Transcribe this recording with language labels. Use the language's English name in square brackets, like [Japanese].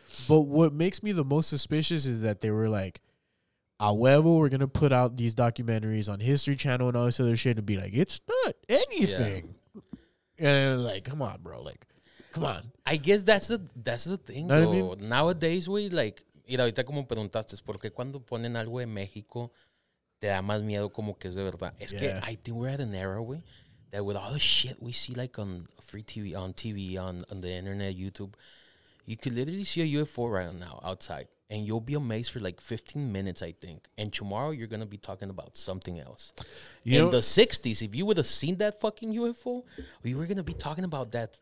[English] But what makes me the most suspicious is that they were like, however, we're going to put out these documentaries on History Channel and all this other shit and be like, it's not anything. Yeah. And like, come on, bro. Like, come on. I guess that's the thing, though. I mean? Nowadays, we like, [Spanish] y ahorita como preguntaste, ¿por qué cuando ponen algo de México te da más miedo como que es de verdad? Es que [English] I think we're at an era, we, that with all the shit we see like on free TV, on TV, on the internet, YouTube, you could literally see a UFO right now outside. And you'll be amazed for like 15 minutes, I think. And tomorrow you're going to be talking about something else. You in the 60s, if you would have seen that fucking UFO, you were going to be talking about that